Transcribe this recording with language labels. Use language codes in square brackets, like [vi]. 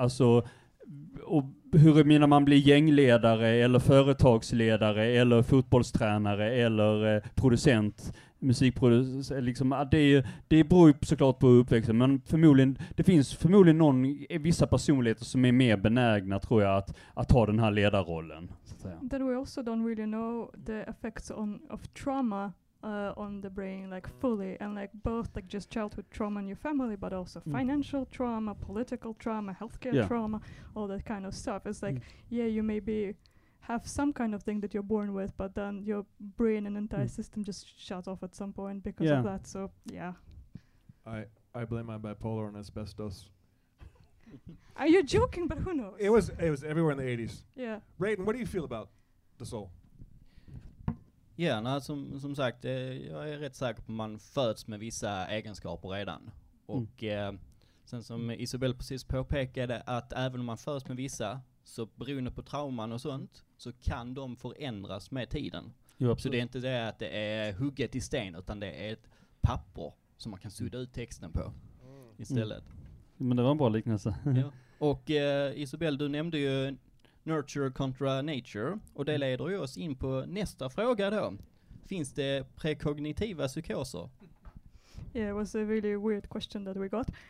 [sv] Alltså, och hur menar man blir gängledare eller företagsledare eller fotbollstränare eller producent, musikproducent. Liksom, det beror ju såklart på uppväxten, men förmodligen, det finns förmodligen någon, vissa personligheter som är mer benägna, tror jag, att ta den här ledarrollen. [en] Then we also don't really know the effects of trauma on the brain, like fully, and like both like just childhood trauma in your family, but also financial trauma, political trauma, healthcare trauma, all that kind of stuff. It's like, yeah, you may be have some kind of thing that you're born with, but then your brain and entire system just shut off at some point because of that. So yeah, I blame my bipolar on asbestos. Are you joking? But who knows? It was everywhere in the 80s. Yeah, Raiden, what do you feel about the soul? [sv] Ja, som sagt, jag är rätt säker på att man föds med vissa egenskaper redan. Och sen som Isabel precis påpekade, att även om man föds med vissa, så beroende på trauman och sånt, så kan de förändras med tiden. Jo, så det är inte det att det är hugget i sten, utan det är ett papper som man kan sudda ut texten på istället. Mm. Men det var en bra liknelse. Och Isabel, du nämnde ju nurture contra nature. Och det leder ju oss in på nästa fråga då. Finns det prekognitiva psykoser? [en] Yeah, it was a really weird question that we got.